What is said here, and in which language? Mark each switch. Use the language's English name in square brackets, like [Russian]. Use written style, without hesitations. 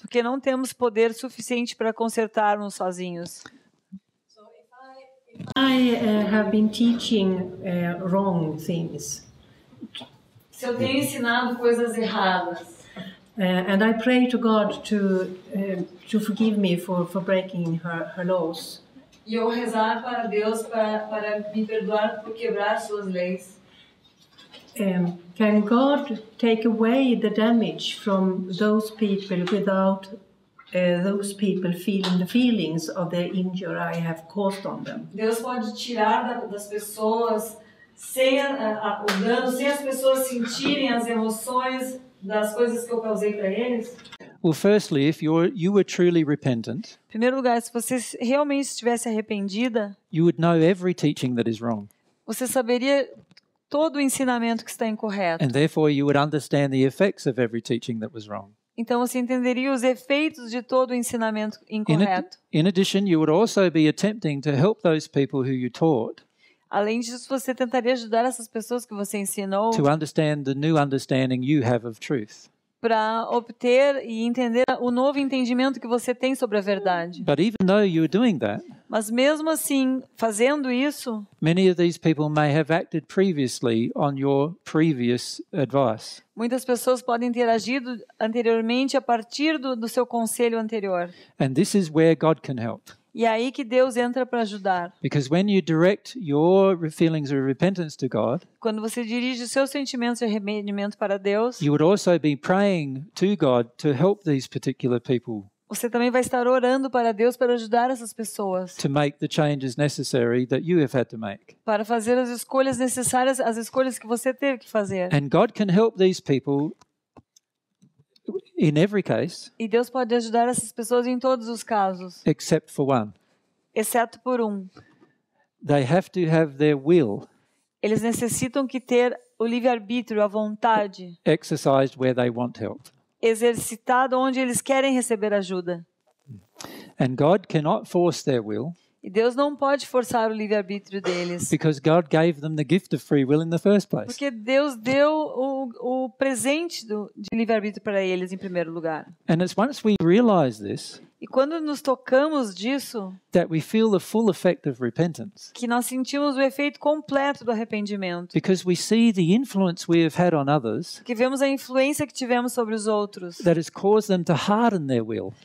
[Portuguese] Porque não temos poder suficiente para consertarmos sozinhos. [English] So if I have been teaching wrong things. [Portuguese] Se eu tenho ensinado coisas erradas. [English] And I pray to God to forgive me for breaking her laws. [Portuguese] E eu rezar para Deus para me perdoar por quebrar suas leis. [English] Can God take away the damage from those people without those people feeling the feelings of the injury I have caused on them? [Portuguese] Deus pode tirar das pessoas sem o dano, sem as pessoas sentirem as emoções das coisas que eu causei para eles? [English] Well, firstly, if you were truly repentant, [Portuguese] primeiro lugar, se você realmente estivesse arrependida, [English] you would know every teaching that is wrong. [Portuguese] Você saberia todo o ensinamento que está incorreto. [English] And therefore you would understand the effects of every teaching that was wrong. [Portuguese] Então você entenderia os efeitos de todo o ensinamento incorreto. [English] In addition, you would also be attempting to help those people who you taught. [Portuguese] Além disso, você tentaria ajudar essas pessoas que você ensinou. [English] To understand the new understanding you have of truth. [Portuguese] Para obter e entender o novo entendimento que você tem sobre a verdade. [English] But even though you are doing that, [Portuguese] mas mesmo assim, fazendo isso, [English] many of these people may have acted previously on your previous advice. [Portuguese] Muitas pessoas podem ter agido anteriormente a partir do seu conselho anterior. [English] And this is where God can help. [Portuguese] E é aí que Deus entra para ajudar. [English] Because when you direct your feelings of repentance to God, [Portuguese] quando você dirige os seus sentimentos de arrependimento para Deus, [English] you would also be praying to God to help these particular people. [Portuguese] Você também vai estar orando para Deus para ajudar essas pessoas. [English] To make the changes necessary that you have had to make. [Portuguese] Para fazer as escolhas necessárias, as escolhas que você teve que fazer. [English] And God can help these people in every case. [Portuguese] E Deus pode ajudar essas pessoas em todos os casos. [English] Except for one. [Portuguese] Exceto por um. [English] They have to have their will. [Portuguese] Eles necessitam que ter o livre-arbítrio, a vontade. [English] Exercised where they want help. [Portuguese] Exercitado onde eles querem receber ajuda. [English] And God cannot force their will. [Portuguese] E Deus não pode forçar o livre-arbítrio deles. [English] Because God gave them the gift of free will in the first place. [Portuguese] Porque Deus deu o presente de livre-arbítrio para eles em primeiro lugar. [English] And as once we realize this, [Portuguese] e quando nos tocamos disso, [English] that we feel the full effect of repentance, [Portuguese] que nós sentimos o efeito completo do arrependimento, [English] because we see the influence we have had on others, [Portuguese] que vemos a influência que tivemos sobre os outros, [English] that has caused them to harden their will,